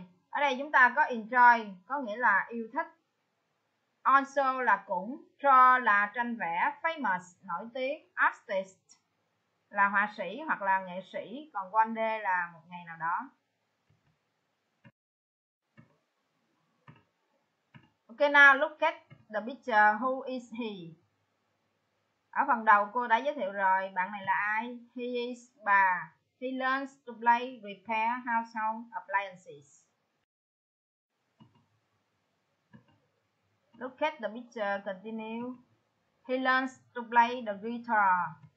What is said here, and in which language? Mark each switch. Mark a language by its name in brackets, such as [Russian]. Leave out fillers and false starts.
[Vietnamese] Ở đây chúng ta có enjoy có nghĩa là yêu thích. Also là cũng, draw là tranh vẽ, famous nổi tiếng, artist là họa sĩ hoặc là nghệ sĩ, còn one day là một ngày nào đó. [English] Ok, now look at the picture, who is he? [Vietnamese] Ở phần đầu cô đã giới thiệu rồi, bạn này là ai? [English] He is bà. He learns to play repair household appliances. Look at the picture, continue. He learns to play the guitar.